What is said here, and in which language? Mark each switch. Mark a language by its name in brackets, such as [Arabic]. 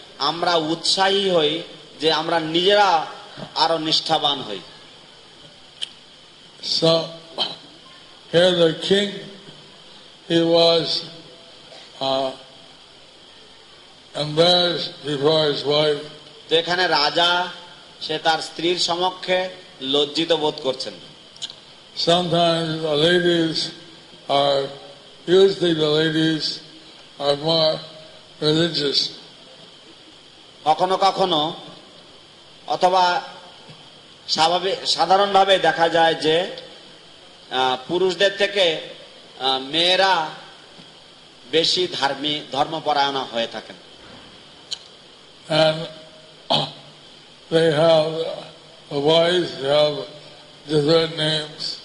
[Bangla] আমরা উৎসাহী হই যে আমরা নিজেরা আরো নিষ্ঠাবান হই। [English] So, here the king, he was embarrassed before his wife. [Bangla] তো এখানে রাজা সে তার স্ত্রীর সমক্ষে লজ্জিত বোধ করছেন। [English] Sometimes the ladies are, usually the ladies are more religious. [Bangla] কখনো কখনো অথবা সাধারণভাবে দেখা যায় যে পুরুষদের থেকে মেয়েরা বেশি ধর্মী ধর্মপরায়ণা হয়ে থাকেন। [English] They have a voice, they have different names.